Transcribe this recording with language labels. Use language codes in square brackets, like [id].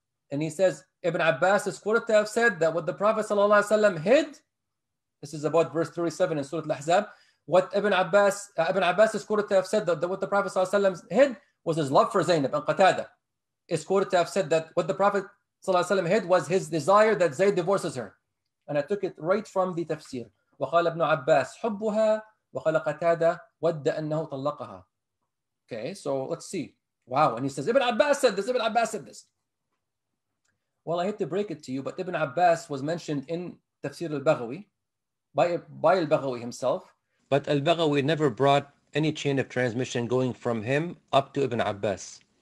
[en] And he says, Ibn Abbas is quoted to have said that what the Prophet ﷺ hid, this is about verse 37 in Surah Al-Ahzab, what Ibn Abbas is quoted to have said that what the Prophet ﷺ hid was his love for Zaynab and Qatada. Is quoted to have said that what the Prophet ﷺ hid was his desire that Zayd divorces her. And I took it right from the tafsir. [ar] وقال ابن عباس حبها وقال قتادة ود أنه طلقها. [en] Okay, so let's see. Wow, and he says, Ibn Abbas said this, Ibn Abbas said this. Well, I hate to break it to you, but Ibn Abbas was mentioned in Tafsir al-Baghawi, by al-Baghawi himself. But al-Baghawi never brought any chain of transmission going from him up to Ibn Abbas.